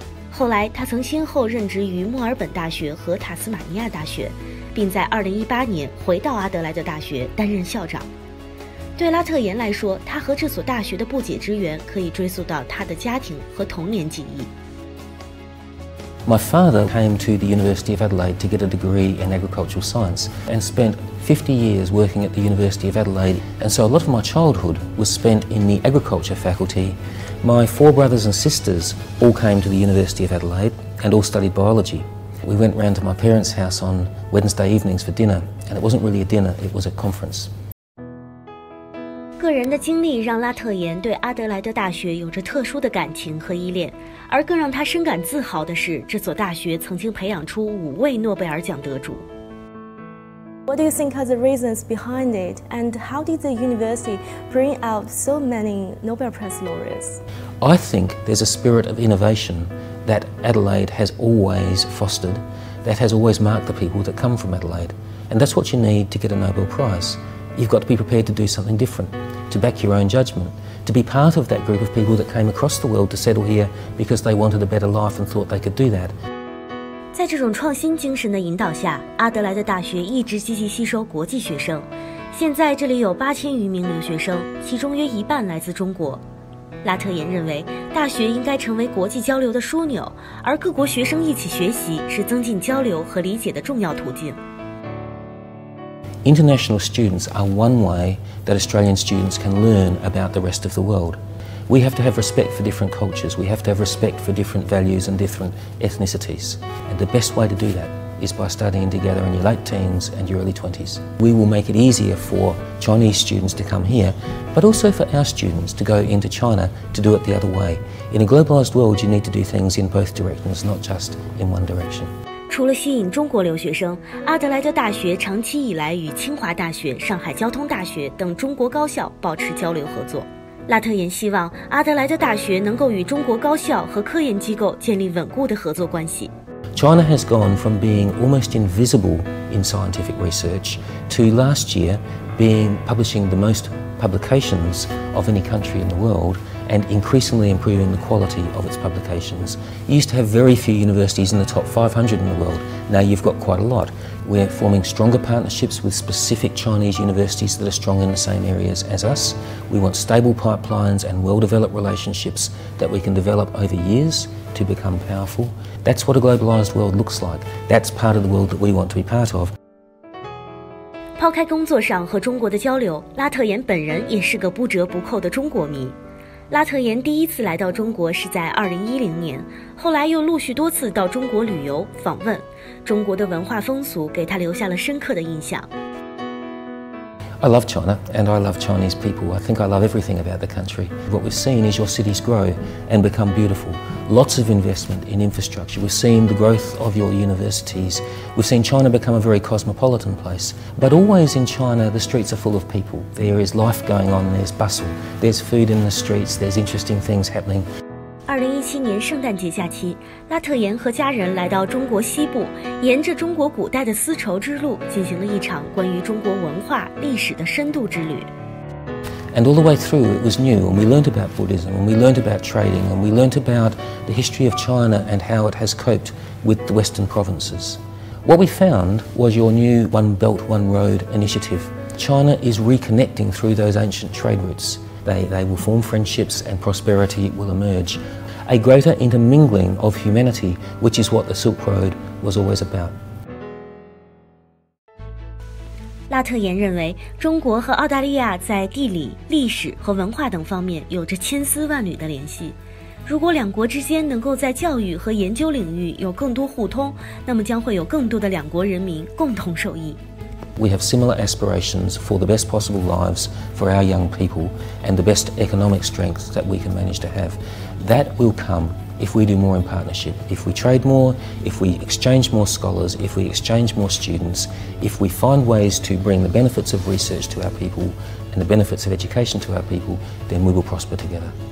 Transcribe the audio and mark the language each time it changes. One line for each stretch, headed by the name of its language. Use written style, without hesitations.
Chinese: 后来，他曾先后任职于墨尔本大学和塔斯马尼亚大学，并在2018年回到阿德莱德大学担任校长。对拉特岩来说，他和这所大学的不解之缘可以追溯到他的家庭和童年记忆。
English: My father came to the University of Adelaide to get a degree in agricultural science and spent 50 years working at the University of Adelaide. And so a lot of my childhood was spent in the agriculture faculty. My four brothers and sisters all came to the University of Adelaide and all studied biology. We went round to my parents' house on Wednesday evenings for dinner, and it wasn't really a dinner, it was a conference.
Chinese: 个人的经历让拉特岩对阿德莱德大学有着特殊的感情和依恋。而更让他深感自豪的是，这所大学曾经培养出5位诺贝尔奖得主。
English: What do you think are the reasons behind it, and how did the university bring out so many Nobel Prize laureates? I think there's a spirit of innovation that Adelaide has always fostered, that has always marked the people that come from Adelaide, and that's what you need to get a Nobel Prize. You've got to be prepared to do something different, to back your own judgment. To be part of that group of people that came across the world to settle here because they wanted a better life and thought they could do that.
Chinese: 在这种创新精神的引导下，阿德莱德大学一直积极吸收国际学生。现在这里有8000余名留学生，其中约一半来自中国。拉特岩认为，大学应该成为国际交流的枢纽，而各国学生一起学习是增进交流和理解的重要途径。
English: International students are one way that Australian students can learn about the rest of the world. We have to have respect for different cultures. We have to have respect for different values and different ethnicities. And the best way to do that is by studying together in your late teens and your early 20s. We will make it easier for Chinese students to come here, but also for our students to go into China to do it the other way. In a globalized world, you need to do things in both directions, not just in one direction.
Chinese: 除了吸引中国留学生，阿德莱德大学长期以来与清华大学、上海交通大学等中国高校保持交流合作。拉特岩希望阿德莱德大学能够与中国高校和科研机构建立稳固的合作关系。
English: China has gone from being almost invisible in scientific research to last year being publishing the most publications of any country in the world. And increasingly improving the quality of its publications. You used to have very few universities in the top 500 in the world. Now you've got quite a lot. We're forming stronger partnerships with specific Chinese universities that are strong in the same areas as us. We want stable pipelines and well-developed relationships that we can develop over years to become powerful. That's what a globalized world looks like. That's part of the world that we want to be part of.
Chinese: 抛开工作上和中国的交流，拉特岩本人也是个不折不扣的中国迷。拉特岩第一次来到中国是在2010年，后来又陆续多次到中国旅游访问，中国的文化风俗给他留下了深刻的印象。
English: I love China and I love Chinese people. I think I love everything about the country. What we've seen is your cities grow and become beautiful. Lots of investment in infrastructure. We've seen the growth of your universities. We've seen China become a very cosmopolitan place. But always in China, the streets are full of people. There is life going on, there's bustle. There's food in the streets, there's interesting things happening.
Chinese: 2017年圣诞节假期，拉特岩和家人来到中国西部，沿着中国古代的丝绸之路，进行了一场关于中国文化历史的深度之旅。
English: And all the way through, it was new, and we learned about Buddhism, and we learned about trading, and we learned about the history of China and how it has coped with the Western provinces. What we found was your new One Belt One Road initiative. China is reconnecting through those ancient trade routes. They will form friendships and prosperity will emerge. A greater intermingling of humanity, which is what the Silk Road was always about.
Chinese: 拉特岩认为，中国和澳大利亚在地理、历史和文化等方面有着千丝万缕的联系。如果两国之间能够在教育和研究领域有更多互通，那么将会有更多的两国人民共同受益。
English: We have similar aspirations for the best possible lives for our young people and the best economic strength that we can manage to have. That will come if we do more in partnership, if we trade more, if we exchange more scholars, if we exchange more students, if we find ways to bring the benefits of research to our people and the benefits of education to our people, then we will prosper together.